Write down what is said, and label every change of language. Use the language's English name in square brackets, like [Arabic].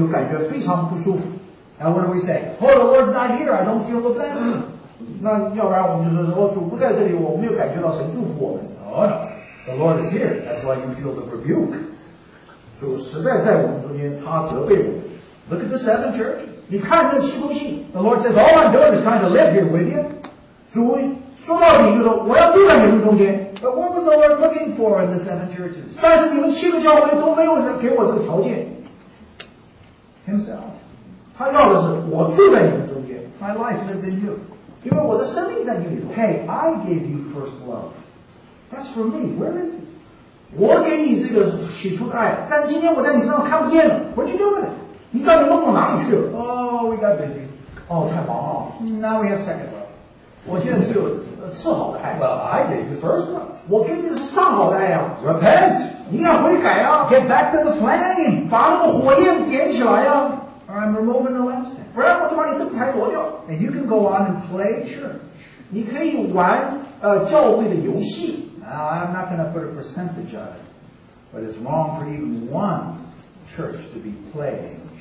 [English] Now what do we say? Oh, the Lord's not here, I don't feel the blessing. [Chinese] 那要不然我们就说，主不在这里，我没有感觉到神祝福我们。 [English] Oh no, the Lord is here, that's why you feel the rebuke. [Chinese] 主实在在我们中间，他责备我们。 [English] Look at the seven churches. [Chinese] 你看这七封信, [English] the Lord says, all I'm doing is trying to live here with you. [Chinese] 主说到底就说我要住在你们中间, [English] but what was the Lord looking for in the seven churches? [Chinese] 但是你们七个教会都没有给我这个条件。 [English] Himself. [Chinese] 他要的是我住在你们中间。 [English] My life lived in you. [Chinese] 因为我的生命在你里头。 [English] Hey, I gave you first love. That's for me. Where is it? [Chinese] 我给你这个起初的爱, 但是今天我在你身上看不见了。 [English] What'd you do with it? [Chinese] 你到底弄到哪里去了? [English] Oh, we got busy. [Chinese] 哦，太忙了。 [English] Now we have second love. [Chinese] 我现在只有次好的爱。 [English] Well, I gave you first love. [Chinese] 我给你是上好的爱啊。 [English] Repent. [Chinese] 你要悔改啊。 [English] Get back to the flame. [Chinese] 把那个火焰点起来啊。 [English] Or I'm removing the lampstand. [Chinese] 不然我就把你灯牌挪掉。 [English] And you can go on and play church. [Chinese] 你可以玩教会的游戏。 [English] I'm not going to put a percentage on it, but it's wrong for even one church to be playing.